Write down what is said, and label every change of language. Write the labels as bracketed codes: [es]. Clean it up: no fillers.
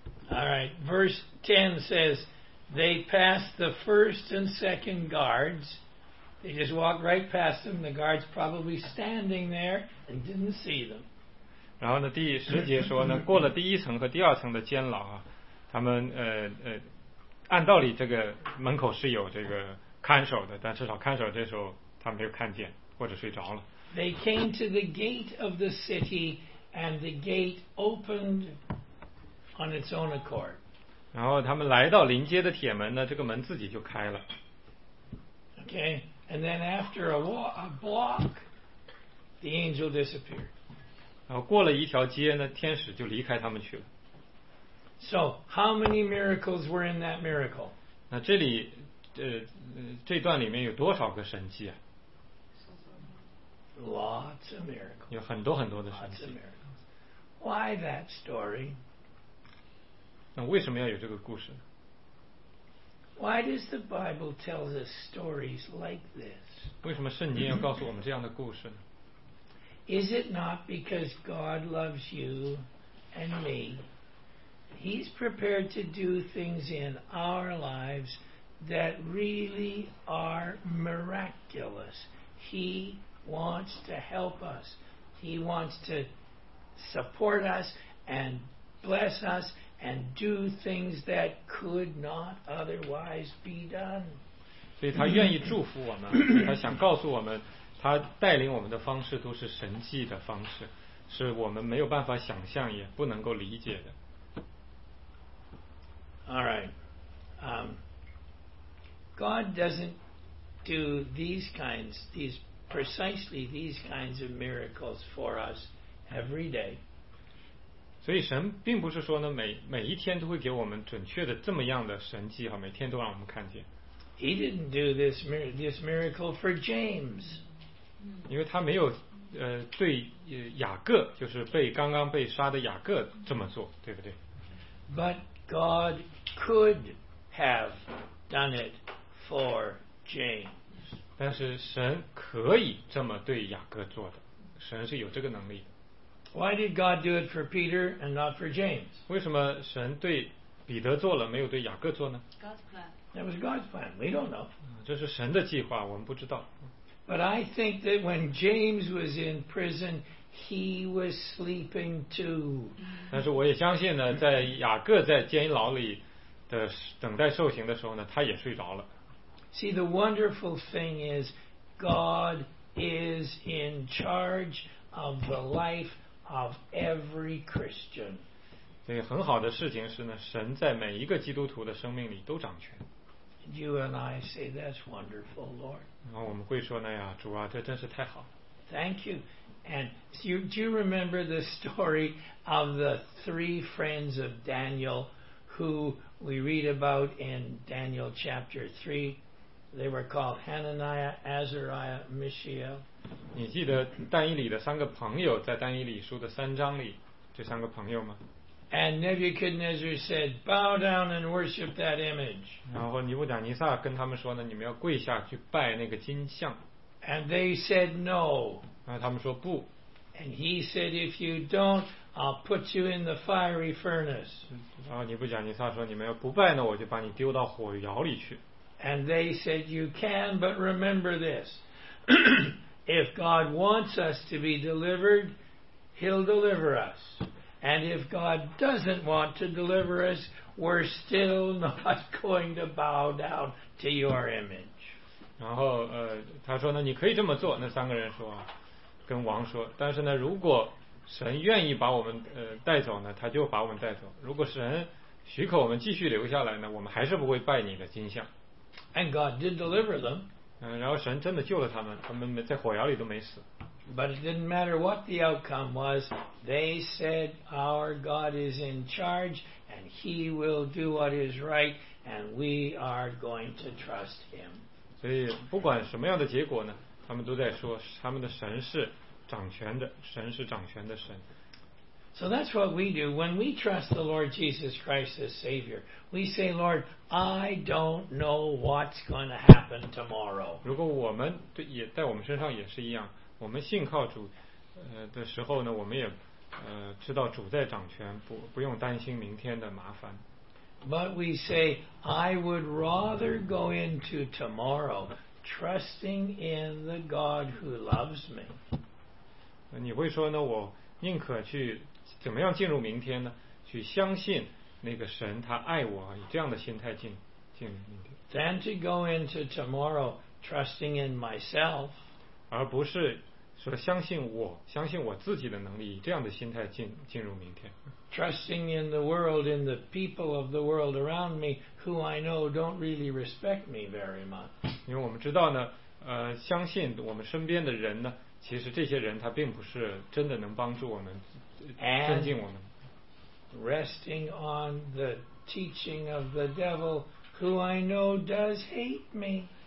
[en] All right, verse 10 says they passed the first and second guards. They just walked right past them. The guards probably standing there and didn't see them. [zh] 然后呢，第十节说呢，过了第一层和第二层的监牢啊，他们按道理这个门口是有这个看守的，但至少看守这时候他没有看见或者睡着了。 [en] They came to the gate of the city, and the gate opened on its own accord. [zh] 然后他们来到临街的铁门呢，这个门自己就开了。 [en] Okay, and then after a block, the angel disappeared. [zh] 然后过了一条街呢，天使就离开他们去了。 [en] So, how many miracles were in that miracle? [zh] 那这里这段里面有多少个神迹啊？ [en] Lots of miracles. [zh] 有很多很多的神迹。 [en] Why that story? [zh] 那为什么要有这个故事呢？ [en] Why does the Bible tell us stories like this? [zh] 为什么圣经要告诉我们这样的故事呢？ [en] Is it not because God loves you and me? He's prepared to do things in our lives that really are miraculous. He wants to help us. He wants to support us and bless us and do things that could not otherwise be done. [zh] 所以他愿意祝福我们，他想告诉我们，他带领我们的方式都是神迹的方式，是我们没有办法想象也不能够理解的。 [en] All right. God doesn't do these kinds of miracles for us every day. [zh] 所以神并不是说呢每一天都会给我们准确的这么样的神迹哈，每天都让我们看见。 [en] He didn't do this miracle for James. [zh] 因为他没有对雅各，就是被刚刚被杀的雅各这么做，对不对？ [en] But God could have done it for James. [zh] 但是神可以这么对雅各做的，神是有这个能力的。 [en] Why did God do it for Peter and not for James? [zh] 为什么神对彼得做了，没有对雅各做呢？ [en] God's plan. That was God's plan. We don't know. [zh] 这是神的计划，我们不知道。 [en] But I think that when James was in prison, he was sleeping too. [zh] 但是我也相信呢，在雅各在监牢里的等待受刑的时候呢，他也睡着了。 [en] See, the wonderful thing is God is in charge of the life of every Christian. [zh] 所以很好的事情是呢，神在每一个基督徒的生命里都掌权。 [en] You and I say that's wonderful, Lord. [zh] 然后我们会说呢，呀，主啊，这真是太好了。 [en] Thank you. And do you remember the story of the three friends of Daniel who we read about in Daniel chapter 3. They were called Hananiah, Azariah, Mishael. [zh] 你记得但以理的三个朋友在但以理书的三章里这三个朋友吗？ [en] And Nebuchadnezzar said, bow down and worship that image. [zh] 然后尼布甲尼撒跟他们说呢，你们要跪下去拜那个金像。 [en] And they said no. [zh] 然后他们说不。 [en] And he said, if you don't, I'll put you in the fiery furnace. [zh] 然后尼布甲尼撒说，你们要不拜呢，我就把你丢到火窑里去。 [en] And they said, you can, but remember this. If God wants us to be delivered, he'll deliver us. And if God doesn't want to deliver us, we're still not going to bow down to your image. [zh] 然后他说呢，你可以这么做，那三个人说，跟王说，但是呢，如果神愿意把我们带走呢，他就把我们带走。如果神许可我们继续留下来呢，我们还是不会拜你的金像。 [en] And God did deliver them. [zh] 然后神真的救了他们，他们在火窑里都没死。 [en] But it didn't matter what the outcome was. They said our God is in charge and he will do what is right and we are going to trust him. [zh] 所以不管什么样的结果呢，他们都在说他们的神是掌权的，神是掌权的神。 [en] So that's what we do when we trust the Lord Jesus Christ as Savior. We say, Lord, I don't know what's going to happen tomorrow. [zh] 如果我们也在我们身上也是一样，我们信靠主的时候呢，我们也知道主在掌权，不用担心明天的麻烦。 [en] But we say, I would rather go into tomorrow trusting in the God who loves me. [zh] 你会说呢，我宁可去怎么样进入明天呢？去相信那个神他爱我，以这样的心态进入明天。 [en] Than to go into tomorrow trusting in myself. [zh] 而不是说相信我自己的能力，以这样的心态进入明天。 [en] Trusting in the world, in the people of the world around me, who I know don't really respect me very much. [zh] 因为我们知道呢，相信我们身边的人呢，其实这些人他并不是真的能帮助我们，尊敬我们。 [en] Resting on the teaching of the devil, who I know does hate me.